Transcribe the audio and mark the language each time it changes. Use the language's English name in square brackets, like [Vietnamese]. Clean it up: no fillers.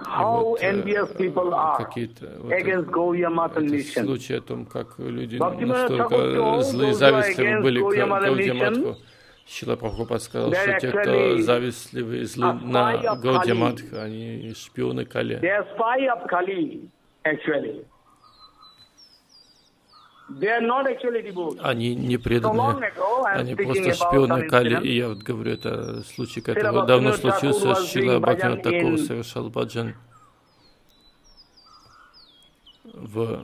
[English] How envious people are against Gaudiya-matha mission. [Russian] Случай о том, как люди настолько злые, завистливы были к Гаудия-матху. Шрила Прабхупада сказал, что те, кто завистливы и злы на Гаудия-матху, они шпионы Кали. [English] They are spy of Kali, actually. They are not actually devotees. [Russian] Они не преданные. Они просто шпионы Кали. И я вот говорю, это случай, который давно случился. Шрила Бхактивинода Тхакур совершал баджан в